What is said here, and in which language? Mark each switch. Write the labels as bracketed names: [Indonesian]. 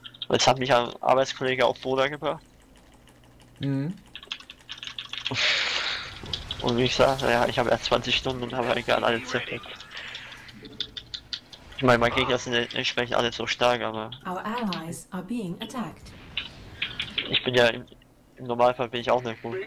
[German] Jetzt hat mich ein Arbeitskollege auf Boda gebracht. Und wie ich sage, ja, ich habe erst 20 Stunden und habe egal alle zerfickt. Ich meine, meine Gegner sind entsprechend alle so stark, aber. [English] Our allies are being attacked. [German] Ich bin ja im Normalfall bin ich auch nicht gut.